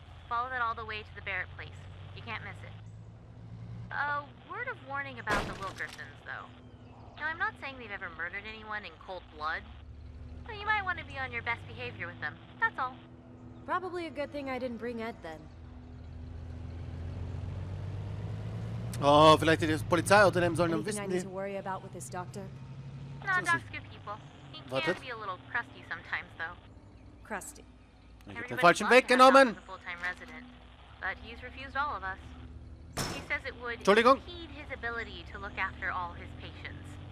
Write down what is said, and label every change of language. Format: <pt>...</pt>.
<en>Follow that all the way to the Barrett place. You can't miss it. A word of warning about the Wilkersons, though. Now, I'm not saying they've ever murdered anyone in cold blood. But you might want to be on your best behavior with them, that's all. Probably a good thing I didn't bring Ed then.</en> <de>Oh, vielleicht hätte ich das Polizeiauto nehmen sollen, dann wissen die.</de> <en>Anything I need to worry about with this doctor? No, Doc's good people. He can be a little crusty sometimes, though.</en> <de>Crusty. Ich hab den falschen Weg genommen.</de> <en>But he's refused all of us. He says it would impede his ability to look after all his patients.</en>